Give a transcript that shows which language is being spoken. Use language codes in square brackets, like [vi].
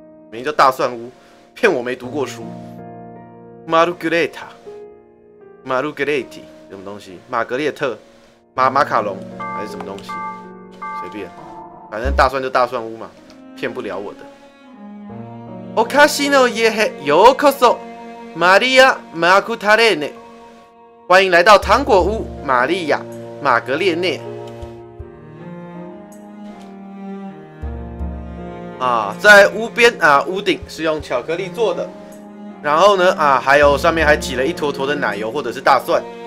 [zh] 名叫大蒜屋，骗我没读过书。 Margherita，Margheriti 什么东西？玛格列特，马卡龙还是什么东西？随便，反正大蒜就大蒜屋嘛，骗不了我的。 [ja] おかしのいえへようこそ、マリア・マグダレーネ。 [zh] 欢迎来到糖果屋，玛利亚·玛格列涅。啊，在屋边啊，屋顶是用巧克力做的，然后呢啊，还有上面还挤了一坨坨的奶油或者是大蒜。